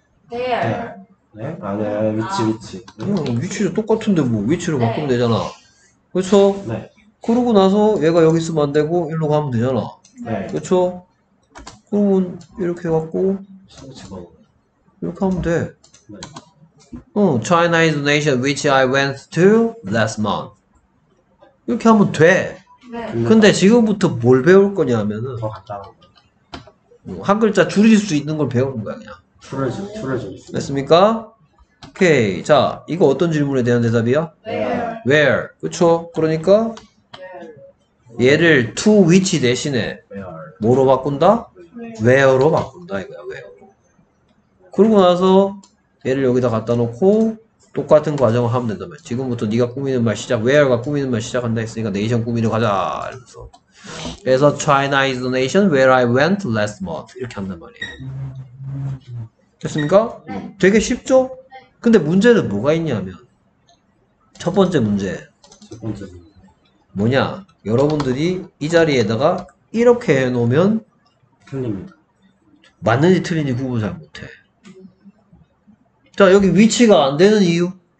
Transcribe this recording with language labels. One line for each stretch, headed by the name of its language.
Korean: 네. 네? 아니야. 위치. 위치도 똑같은데 뭐 위치로 바꾸면 되잖아. 그렇죠? 네. 그러고 나서 얘가 여기 있으면 안 되고 일로 가면 되잖아. 네. 그렇죠? 그러면 이렇게 해갖고 이렇게 하면 돼.
English: 어, China is the nation which I went to last month.
Korean: 이렇게 하면 돼. 네. 근데 지금부터 뭘 배울 거냐면은 한 글자 줄일 수 있는 걸 배우는 거야 그냥. 줄여줘. 됐습니까? 오케이. 자, 이거 어떤 질문에 대한 대답이야?
English: Where.
Korean: Where. 그렇죠. 그러니까 얘를
English: to which
Korean: 대신에 뭐로 바꾼다? Where로 바꾼다 이거야. Where. 그러고 나서 얘를 여기다 갖다 놓고 똑같은 과정을 하면 된다며. 지금부터 네가 꾸미는 말 시작. Where가 꾸미는 말 시작한다 했으니까 네이션 꾸미러 가자. 이러면서.
English: 그래서 China is the nation where I went last month.
Korean: 이렇게 한단 말이에요. 됐습니까? 네. 되게 쉽죠? 네. 근데 문제는 뭐가 있냐면 첫 번째 문제. 뭐냐? 여러분들이 이 자리에다가 이렇게 해놓으면 틀립니다. 맞는지 틀린지 구분 잘 못해. 자, 여기 위치가 안 되는 이유?